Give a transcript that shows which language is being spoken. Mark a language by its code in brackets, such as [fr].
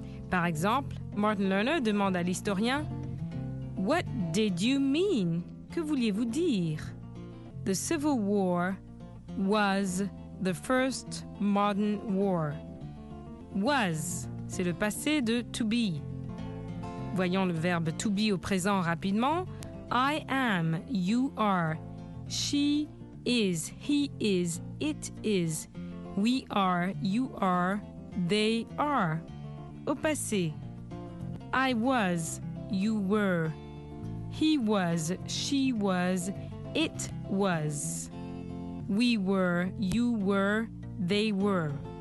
[fr] Par exemple, Martin Lerner demande à l'historien, [en] What did you mean? [fr] Que vouliez-vous dire? [en] The Civil War was the first modern war. [fr] Was, c'est le passé de to be. Voyons le verbe to be au présent rapidement. [en] I am, you are, she is, he is, it is, we are, you are, they are. [fr] Au passé, [en] I was, you were, he was, she was, it was, we were, you were, they were.